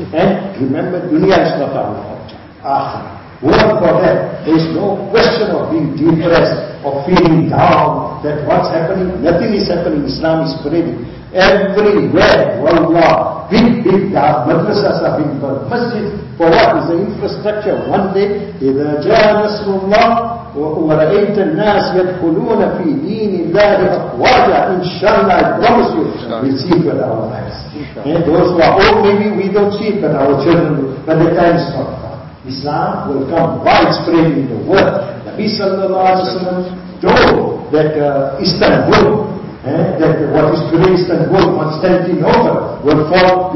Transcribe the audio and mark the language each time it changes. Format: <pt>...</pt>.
<en>And remember, dunya is not our object. Work for that. There is no question of being depressed, of feeling down, that what's happening, nothing is happening, Islam is spreading. Everywhere, wallah, big madrasas are being built. Masjid, for what is the infrastructure? One day,</en> <ar>إِذَا جَاءَ نَصْرُ اللَّهِ وَرَأَيْتَ النَّاسِ يَدْخُلُونَ فِي دِينِ اللَّهِ أَفْوَاجًا إِنْشَاءَ</ar> <en>I promise you, we'll see it with our eyes. And those who are old, maybe we don't see it, but our children will. But the time is not far. Islam will come widespread in the world. Nabi sallallahu alayhi wa sallam told that Istanbul, that what is today Istanbul, Constantinople, will fall.</en>